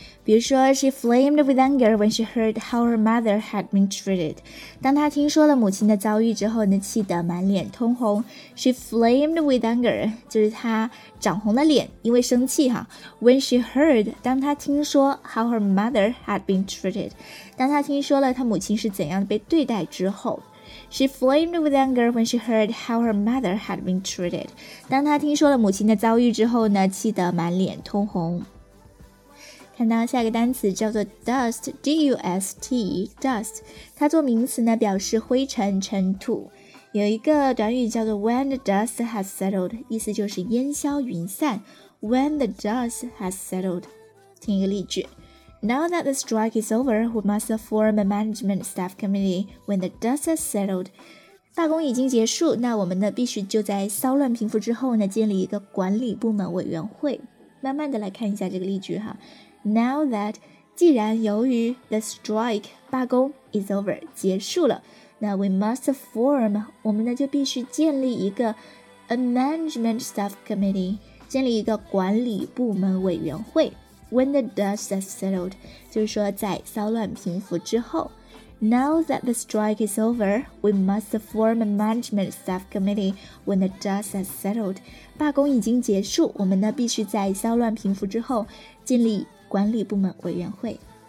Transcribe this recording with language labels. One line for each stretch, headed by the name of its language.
Chinese: 比如说
English: she flamed with anger when she heard how her mother had been treated.
Chinese: 当她听说了母亲的遭遇之后呢气得满脸通红。
English: She flamed with anger,
Chinese: 就是她长红了脸因为生气哈。
English: When she heard,
Chinese: 当她听说
English: how her mother had been treated.
Chinese: 当她听说了她母亲是怎样被对待之后。
English: She flamed with anger when she heard how her mother had been treated.
Chinese: 当她听说了母亲的遭遇之后呢气得满脸通红。看到下一个单词叫做 dust, D-U-S-T, dust, 它做名词呢表示灰尘尘土。有一个短语叫做
English: when the dust has settled,
Chinese: 意思就是烟消云散 when the dust has settled. 听一个例句
English: Now that the strike is over, we must form a management staff committee when the dust has settled.
Chinese: 罢工已经结束那我们呢必须就在骚乱平复之后呢建立一个管理部门委员会。慢慢的来看一下这个例句哈。
English: Now that,
Chinese: 既然由于
English: the strike,
Chinese: 罢工
English: is over,
Chinese: 结束了。那
English: we must form,
Chinese: 我们呢就必须建立一个
English: a management staff committee,
Chinese: 建立一个管理部门委员会。
English: When the dust has settled,
Chinese: 就是说在骚乱平复之后。
English: Now that the strike is over, we must form a management staff committee when the dust has settled.
Chinese: 罢工已经结束我们呢必须在骚乱平复之后建立管理部门委员会。